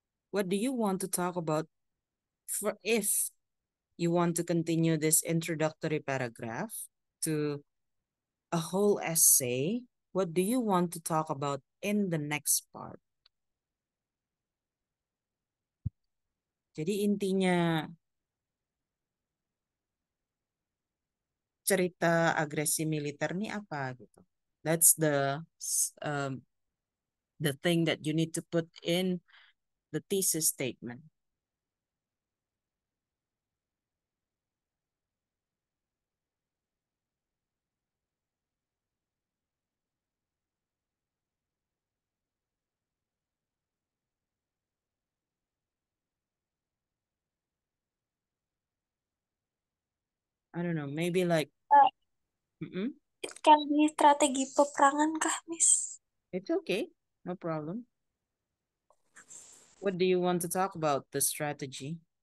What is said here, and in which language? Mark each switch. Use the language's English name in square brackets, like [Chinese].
[English] What do you want to talk about for if you want to continue this introductory paragraph to a whole essay? What do you want to talk about in the next part? [Indonesian] Jadi intinya cerita agresi militer ini apa gitu? [English] That's the thing that you need to put in the thesis statement. I don't know, maybe like [Indonesian] Kan ini strategi peperangan kah, Miss? [English] It's okay, no problem. What do you want to talk about the strategy?